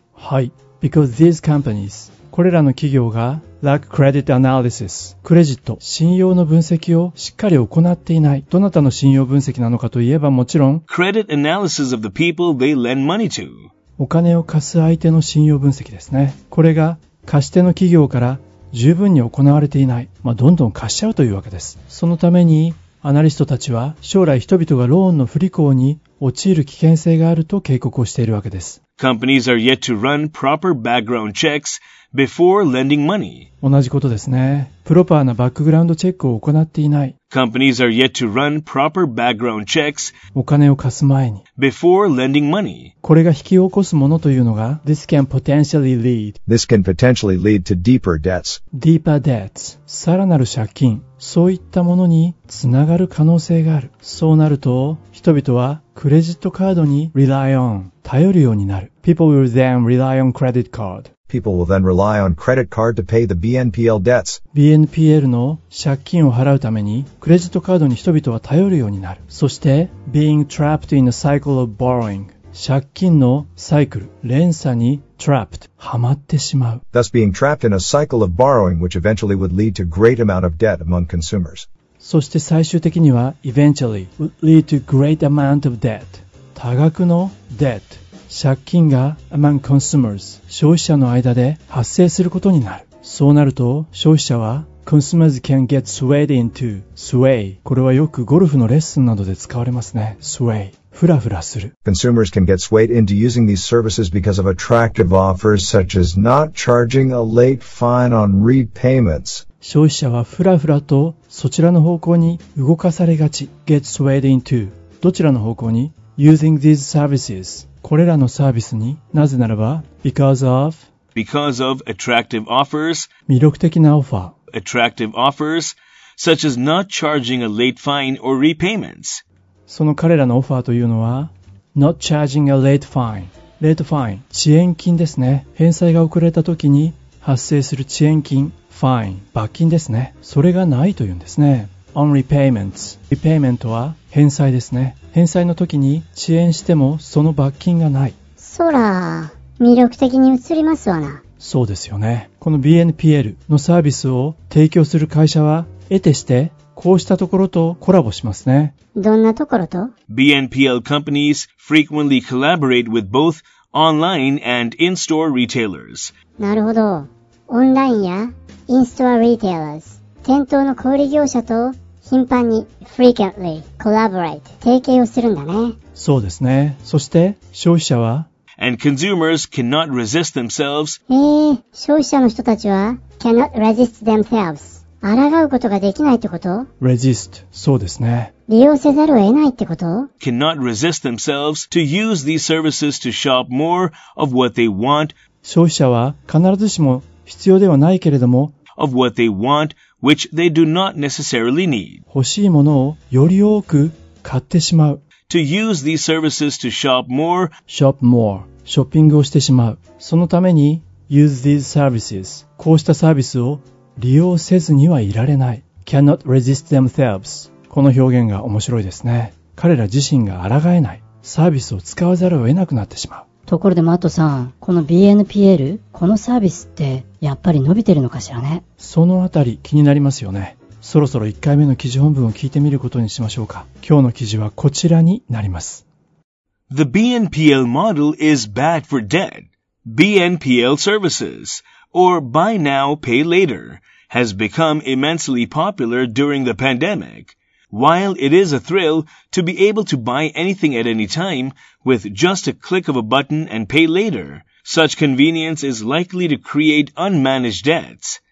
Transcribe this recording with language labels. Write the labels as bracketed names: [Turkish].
[Japanese] はい。 [English] Because these companies, [Japanese] これらの企業が [English] lack credit analysis, [Japanese] クレジット、信用の分析をしっかり行っていない。どなたの信用分析なのかといえばもちろん [English] credit analysis of the people they lend money to. [Japanese] お金を貸す相手の信用分析ですね。これが貸し手の企業から十分に行われていない。まあ、どんどん貸しちゃうというわけです。そのためにアナリストたちは将来人々がローンの不履行に陥る危険性があると警告をしているわけです。 [English] Companies are yet to run proper background checks before lending money. [Japanese] 同じことですね。プロパーなバックグラウンドチェックを行っていない。 [English] Companies are yet to run proper background checks [Japanese] お金を貸す前に [English] before lending money. [Japanese] これが引き起こすものというのが [English] This can potentially lead to deeper debts. Deeper debts. [Japanese] さらなる借金。そういったものにつながる可能性がある。そうなると人々はクレジットカードに [English] rely on [Japanese] 頼るようになる。 [English] People will then rely on credit card. People will then rely on credit card to pay the BNPL debts. [Japanese] BNPL の借金を払うためにクレジットカードに人々は頼るようになる。そして [English] being trapped in a cycle of borrowing [Japanese] 借金のサイクル連鎖に trapped はまってしまう。 [English] Thus being trapped in a cycle of borrowing which eventually would lead to great amount of debt among consumers. [Japanese] そして最終的には [English] eventually would lead to great amount of debt [Japanese] 多額の debt 借金が [English] among consumers [Japanese] 消費者の間で発生することになるそうなると消費者は [English] consumers can get swayed into sway [Japanese] これはよくゴルフのレッスンなどで使われますね sway フラフラする [English] consumers can get swayed into using these services because of attractive offers such as not charging a late fine on repayments [Japanese] 消費者はフラフラとそちらの方向に動かされがち [English] Get swayed into [Japanese] どちらの方向に [English] Using these services [Japanese] これらのサービスになぜならば [English] Because of attractive offers [Japanese] 魅力的なオファ [English] ー Attractive offers such as not charging a late fine or repayments [Japanese] その彼らのオファーというのは [English] Not charging a late fine [Japanese] Late fine 遅延金ですね返済が遅れた時に発生する遅延金Fine. 罰金ですね。それがないというんですね。 [English] On repayments. [Japanese] Repayment は返済ですね。返済の時に遅延してもその罰金がない。そら、魅力的に映りますわな。そうですよね。この BNPL のサービスを提供する会社は得てしてこうしたところとコラボしますね。どんなところと? [English] BNPL companies frequently collaborate with both online and in-store retailers. [Japanese] なるほど。オンラインやインストアリテイラーズ店頭の小売業者と頻繁に [English] frequently collaborate [Japanese] 提携をするんだねそうですねそして消費者は [English] and consumers cannot resist themselves [Japanese] 消費者の人たちは [English] cannot resist themselves [Japanese] 抗うことができないってこと? Resist, そうですね。利用せざるを得ないってこと? [English] Cannot resist themselves to use these services to shop more of what they want. [Japanese] 消費者は必ずしも必要ではないけれども、 [English] of what they want, which they do not necessarily need. [Japanese] 欲しいものをより多く買ってしまう。 [English] To use these services to shop more. Shop more. [Japanese] ショッピングをしてしまう。そのために、 [English] use these services. [Japanese] こうしたサービスを利用せずにはいられない。 [English] cannot resist themselves. [Japanese] この表現が面白いですね。彼ら自身が抗えない。サービスを使わざるを得なくなってしまう。ところでマットさん、この BNPL、このサービスってやっぱり伸びてるのかしらね。そのあたり気になりますよね。そろそろ1回目の記事本文を聞いてみることにしましょうか。今日の記事はこちらになります。 [English] The BNPL model is bad for debt. BNPL services, or buy now, pay later, has become immensely popular during the pandemic. While it is a thrill to be able to buy anything at any time with just a click of a button and pay later, such convenience is likely to create unmanaged debts.